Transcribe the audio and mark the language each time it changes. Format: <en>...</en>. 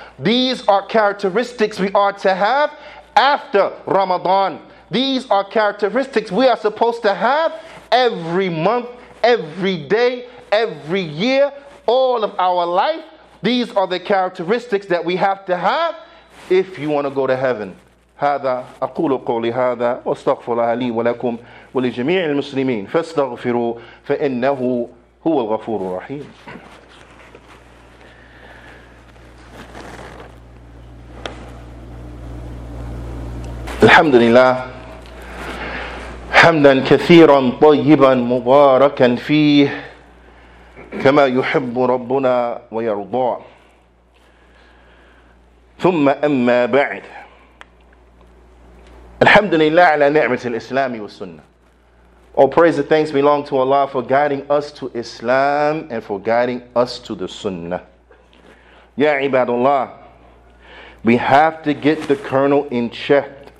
<en>These are characteristics we are to have after Ramadan. These are characteristics we are supposed to have every month, every day, every year, all of our life. These are the characteristics that we have to have if you want to go to heaven.</en> <ar>هذا أقول قولي هذا واستغفر الله لي ولكم ولجميع المسلمين فاستغفروا فإنه هو الغفور الرحيم. الحمد لله حمدا كثيرا طيبا مباركا فيه كما يحب ربنا ويرضى ثم أما بعد. Alhamdulillah ala ni'mat al-Islam wa sunnah.</ar> <en>All praise and thanks belong to Allah for guiding us to Islam and for guiding us to the sunnah. Ya ibadullah, we have to get the kernel in check.</en>